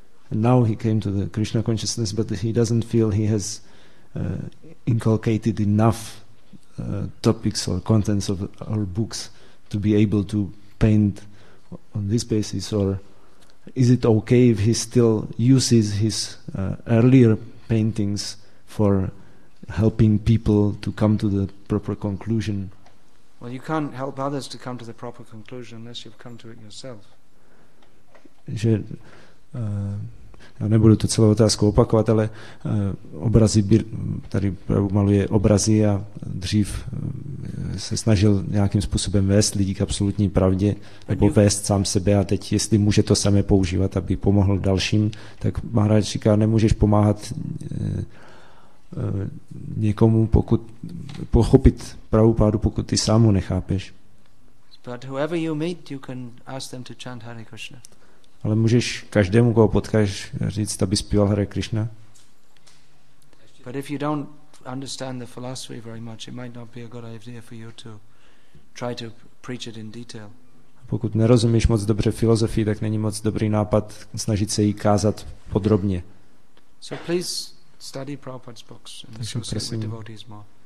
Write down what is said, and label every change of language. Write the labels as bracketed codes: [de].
[en] And now he came to the Krishna consciousness, but he doesn't feel he has inculcated enough topics or contents of our books to be able to paint on this basis. Or is it okay if he still uses his earlier paintings for helping people to come to the proper conclusion? Well, you can't help others to come to the proper conclusion unless you've come to it yourself. [cs] Že, já nebudu to celou otázku opakovat, ale obrazy tady maluje obrazy a dřív se snažil nějakým způsobem vést lidi k absolutní pravdě nebo vést sám sebe, a teď jestli může to samé používat, aby pomohl dalším, tak Maharaj říká, nemůžeš pomáhat někomu, pokud pochopit pravou pádu, pokud ty sám ho nechápeš. [en] But whoever you meet, you can ask them to chant Hare Krishna. [cs] Ale můžeš každému, koho potkáš, říct, aby zpíval Hare Krishna. [en] But if you don't understand the philosophy very much, it might not be a good idea for you to try to preach it in detail. [cs] Pokud nerozumíš moc dobře filozofii, tak není moc dobrý nápad snažit se jí kázat podrobně. [en] So please study Prabhupada's books and associate with devotees more.